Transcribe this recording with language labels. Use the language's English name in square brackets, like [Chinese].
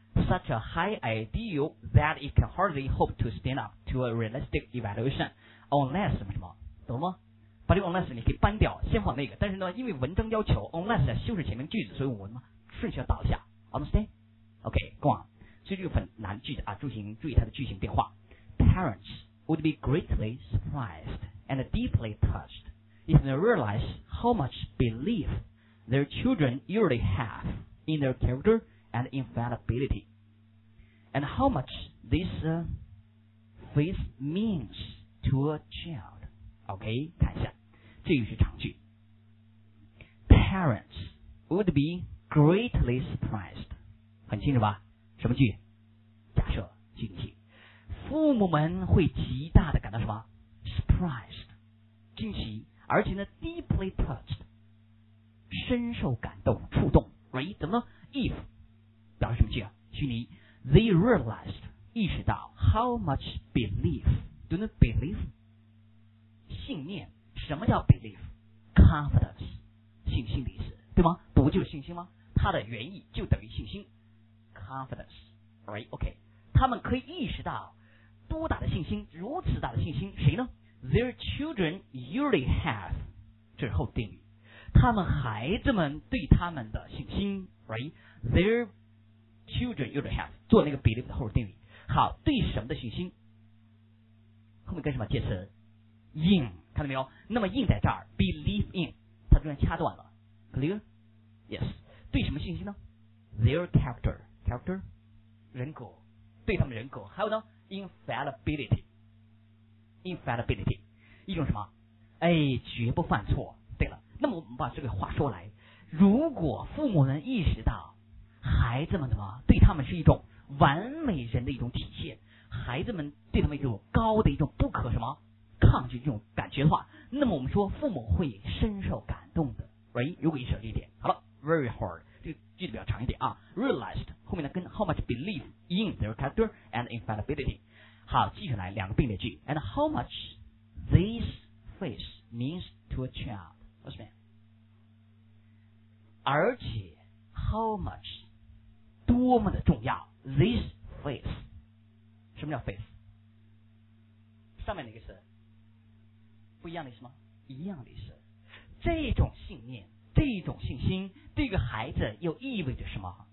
[English] Such a high ideal that it can hardly hope to stand up to a realistic evaluation unless [Chinese] 什么什么，懂吗？把这个 unless 你可以搬掉，先放那个，但是呢，因为文章要求 unless 修饰前面句子，所以我们顺序要倒一下， understand？ [English] OK， go on。 [Chinese] 所以这个很难句子啊，注意它的句型变化。 [English] Parents would be greatly surprisedand deeply touched if they realize how much belief their children usually have in their character and infallibility, and how much this faith means to a child. [Chinese] OK， 看一下，这又是长句。 [English] Parents would be greatly surprised. [Chinese] 很清楚吧？什么句？假设句子。父母们会极大的感到什么 ？Surprised. 惊喜，而且呢 ，deeply touched， 深受感动、触动 ，right？怎么呢 ？If 表示什么句啊？虚拟 ， [English] they realized [Chinese] 意识到 [English] how much belief， [Chinese] 对不对 ？belief 信念，什么叫 belief？confidence 信心的意思，对吗？不就是信心吗？它的原意就等于信心 ，confidence，right？OK，、okay、他们可以意识到多大的信心，如此大的信心，谁呢？ [English] Their children usually have， 这是后定语。 [Chinese] 他们孩子们对他们的信心 ，right？ [English] Their children usually have， [Chinese] 做那个 [English] belief [Chinese] 的后定语。好，对什么的信心？后面跟什么介词 ？in， 看到没有？那么 in 在这儿 ，believe in， 它中间掐断了 ，clear？Yes， 对什么信心呢 [English] their character, character [Chinese] 人格，对他们人格。 [English] 还有呢 infallibility, [Chinese] infallibility 一种什么，哎，绝不犯错。对了，那么我们把这个话说来，如果父母能意识到孩子们什么，对他们是一种完美人的一种体现，孩子们对他们有高的一种不可什么抗拒这种感觉的话，那么我们说父母会深受感动的 right? 如果意识到这一点，好了 [English] very hard, [Chinese] 这个句子比较长一点啊 [English] realized, [Chinese] 后面呢跟 [English] how much belief in their character and infallibility, [Chinese] 好，继续来两个并列句 [English] and how much this face means to a child, what's that? [Chinese] 而且 how much, 多么的重要 [English] this face, [Chinese] 什么叫 face? 上面那个词不一样的意思吗？一样的意思。这种信念，这种信心，对一个孩子又意味着什么？